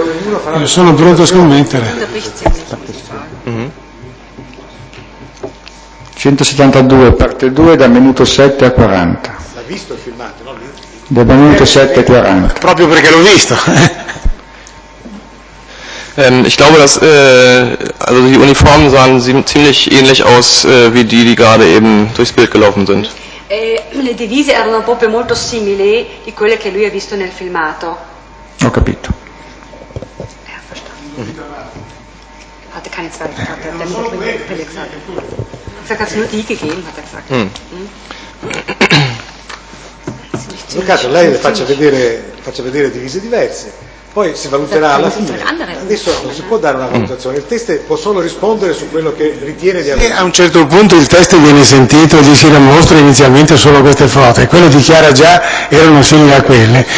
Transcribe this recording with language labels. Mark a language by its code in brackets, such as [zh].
[it] Poi ognuno farà. Io sono pronto a scommettere. 172 parte 2 da minuto 7 a 40. L'ha visto il filmato, no? Da minuto 7 a 40. Proprio perché l'ho visto. [de] Ich glaube, dass also die Uniformen sahen ziemlich ähnlich aus wie die, die gerade eben durchs Bild gelaufen sind. [it] Le divise erano proprio molto simili di quelle che lui ha visto nel filmato. Ho capito. [de] Hatte keine Zweifel. Hat er ganz nur die gegeben, hat er gesagt. [it] Lucato, lei faccia vedere divise diverse. Poi si valuterà alla fine. Adesso non si può dare una valutazione. Il test può solo rispondere su quello che ritiene di avere. A un certo punto il test viene sentito e gli si mostra inizialmente solo queste foto e quello dichiara già erano simili a quelle.